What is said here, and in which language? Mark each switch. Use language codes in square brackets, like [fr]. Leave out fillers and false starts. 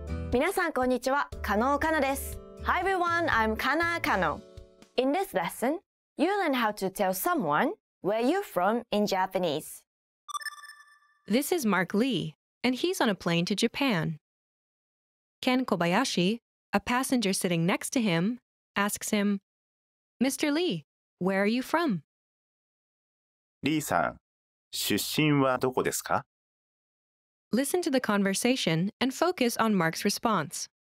[ja] 皆さんこんにちは、カノーカナです。 [en] Hi everyone, I'm Kana Kano. In this lesson, you learn how to tell someone where you're from in Japanese. This is Mark Lee, and he's on a plane to Japan. Ken Kobayashi, a passenger sitting next to him, asks him, Mr. Lee, where are you from? [ja] リーさん、出身はどこですか? [en] Listen to the conversation and focus on Mark's response.